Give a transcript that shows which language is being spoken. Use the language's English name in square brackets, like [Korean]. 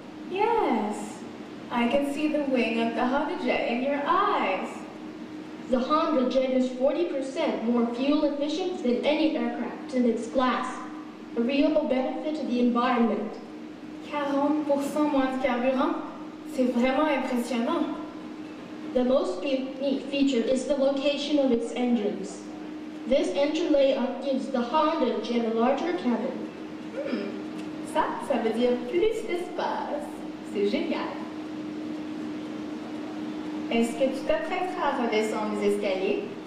[English] Yes. I can see the wing of the Honda Jet in your eyes. The Honda Jet is 40% more fuel efficient than any aircraft in its class. A real benefit to the environment. [French] 40% moins de carburant? C'est vraiment impressionnant. [English] The most unique feature is the location of its engines. This engine layout gives the Honda Jet a larger cabin. [French] Ça veut dire plus d'espace. C'est génial. Est-ce que tu t'apprêteras à redescendre les escaliers?